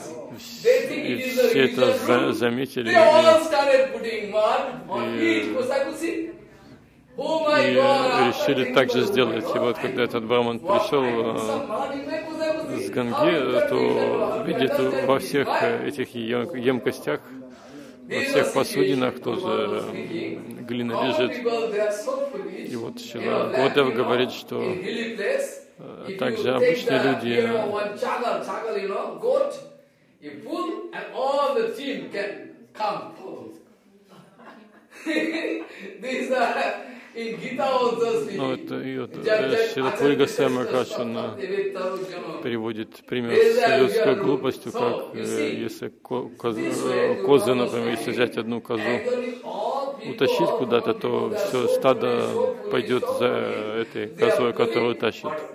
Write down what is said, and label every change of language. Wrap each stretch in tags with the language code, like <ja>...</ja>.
<ru>И все это заметили, и решили так же сделать. И вот когда этот браман пришел с Ганги, то видит во всех этих емкостях, во всех посудинах тоже глина лежит. И вот Шрила Гурудев говорит, что также обычные люди...</ru> <en>You pull and all the team can come pull. These are in Gita also speaking.</en> <ru>Ну, это Шрила Пури Госвами Махарадж, он переводит пример с людской глупостью, как если козы, например, если взять одну козу, утащить куда-то, то все стадо пойдет за этой козой, которую тащит.</ru>